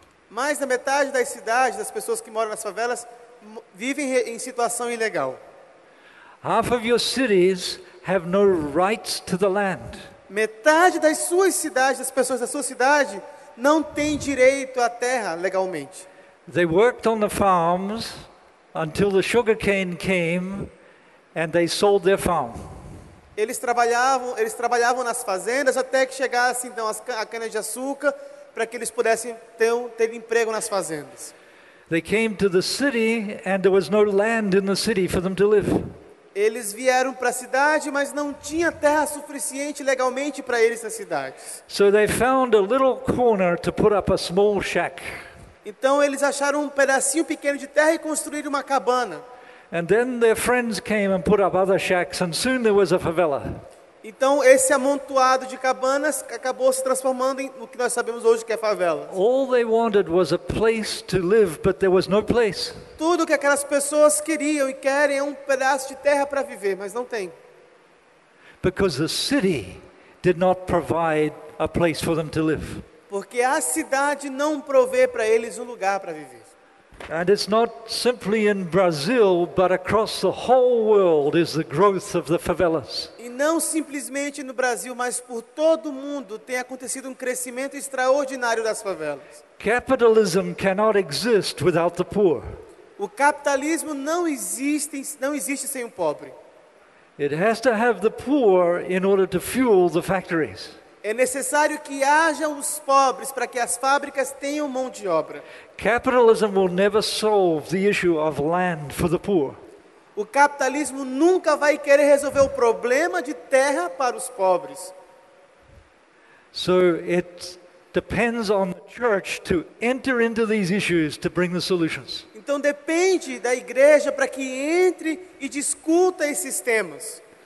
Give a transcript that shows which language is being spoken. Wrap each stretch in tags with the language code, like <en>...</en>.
<pt>Mais da metade das cidades, das pessoas que moram nas favelas, vivem em situação ilegal.</pt> <en>Half of your cities have no rights to the land.</en> <pt>Metade das suas cidades, das pessoas da sua cidade, não tem direito à terra legalmente.</pt> <en>They worked on the farms until the sugar cane came and they sold their farm.</en> <pt>Eles trabalhavam nas fazendas até que chegasse então a cana de açúcar para que eles pudessem ter emprego nas fazendas.</pt> <en>They came to the city and there was no land in the city for them to live.</en> <pt>Eles vieram para a cidade, mas não tinha terra suficiente legalmente para eles na cidade.</pt> <en>So they found a little corner to put up a small shack.</en> <pt>Então eles acharam um pedacinho pequeno de terra e construíram uma cabana.</pt> <en>And then their friends came and put up other shacks, and soon there was a favela.</en> <pt>Então esse amontoado de cabanas acabou se transformando em o que nós sabemos hoje que é favela.</pt> <en>All they wanted was a place to live, but there was no place.</en> <pt>Tudo que aquelas pessoas queriam e querem é um pedaço de terra para viver, mas não tem.</pt> <en>Because the city did not provide a place for them to live.</en> <pt>Porque a cidade não provê para eles um lugar para viver.</pt> <en>And it's not simply in Brazil, but across the whole world is the growth of the favelas.</en> <pt>E não simplesmente no Brasil, mas por todo o mundo tem acontecido crescimento extraordinário das favelas.</pt> <en>Capitalism cannot exist without the poor.</en> <pt>O capitalismo não existe sem o pobre.</pt> <en>It has to have the poor in order to fuel the factories.</en> <pt>É necessário que haja os pobres para que as fábricas tenham mão de obra.</pt> <en>Capitalism will never solve the issue of land for the poor.</en> <pt>O capitalismo nunca vai querer resolver o problema de terra para os pobres.</pt> <en>So it depends on the church to enter into these issues to bring the solutions.</en> <pt>Então depende da igreja para que entre e discuta esses temas.</pt>